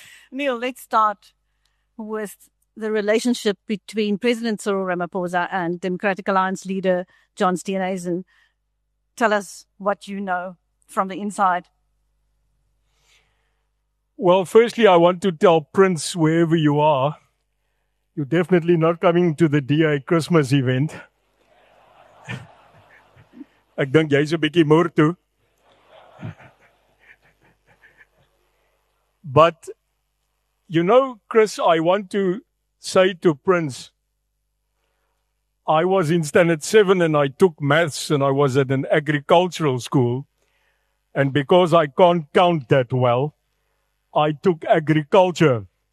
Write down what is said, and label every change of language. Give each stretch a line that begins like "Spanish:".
English: Neil, let's start with the relationship between President Cyril Ramaphosa and Democratic Alliance leader John Steenhuisen. Tell us what you know from the inside. Well, firstly, I want to tell Prince, wherever you are, you're definitely not coming to the DA Christmas event.
Afrikaans: Ek dink jy's 'n bietjie moer toe.
English: But, you know, Chris, I want to say to Prince, I was in Standard 7 and I took maths and I was at an agricultural school. And because I can't count that well, I took agriculture.